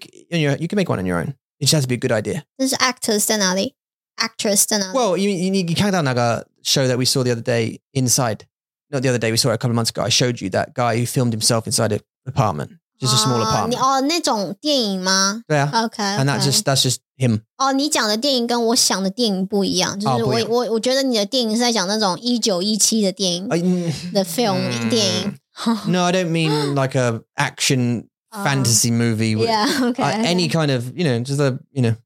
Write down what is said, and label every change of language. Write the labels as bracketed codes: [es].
[en] You can make one on your own. It just has to be a good idea. There's actors, definitely. Actress, definitely. Well, you can't count on that show that we saw the other day inside. Not the other day. We saw it a couple of months ago. I showed you that guy who filmed himself inside an apartment. Just a small apartment. [zh] Oh, 那种电影吗? [en] Yeah. Okay. And that's just him. [zh] Oh, 你讲的电影跟我想的电影不一样.就是我觉得你的电影是在讲那种1917的电影. [en] The film, [zh] 电影. [en] No, I don't mean like a action fantasy movie. With, yeah, okay. Any kind of, you know, just a, you know.